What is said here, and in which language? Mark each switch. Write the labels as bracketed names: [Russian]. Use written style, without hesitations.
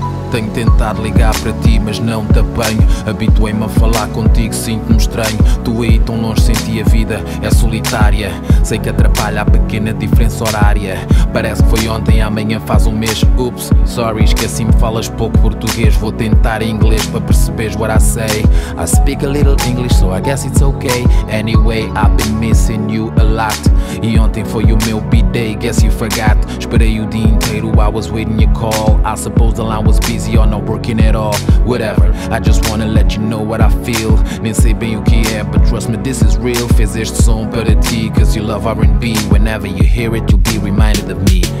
[Portuguese] Tenho tentado ligar para ti, mas não te apanho. Habituei-me a falar contigo, sinto-me estranho. Tu aí tão longe, senti a vida, é solitária. Sei que atrapalha a pequena diferença horária. Parece que foi ontem, amanhã faz um mês. Ups, sorry, esqueci-me, falas pouco português. Vou tentar em inglês para perceberes [English] what I say. I speak a little English, so I guess it's okay. Anyway, I've been missing you a lot. [Portuguese] E ontem foi o meu B-Day, [English] guess you forgot. [Portuguese] Esperei o dia inteiro, [English] I was waiting your call. I suppose the line was busy or not working at all. Whatever, I just wanna let you know what I feel. [Portuguese] Nem sei bem o que é, [English] but trust me, this is real. [Portuguese] Fez este som para ti, [English] cause you love R&B. Whenever you hear it, you'll be reminded of me.